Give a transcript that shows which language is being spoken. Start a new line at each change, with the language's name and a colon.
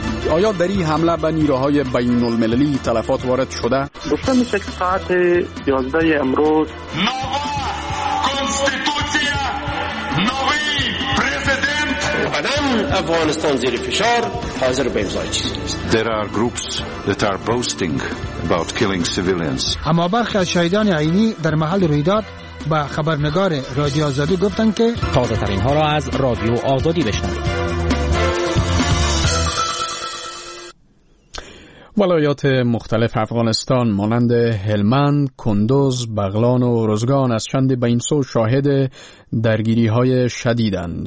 Persian: آیا در این حمله به نیروهای بین المللی تلفات وارد شده؟ گفته میشه که ساعت 11 امروز افغانستان زیر فشار حاضر به امضای چیزی نیست.
English: There are groups that are boasting about killing civilians.
Persian: اما برخی از شهیدان عینی در محل رویداد با خبرنگار رادیو آزادی گفتند که تازه ترین ها را از رادیو آزادی بشنوید. ولایات مختلف افغانستان مانند هلمند، کندوز، بغلان و اروزگان از چند به این سو شاهد درگیری های شدیدند.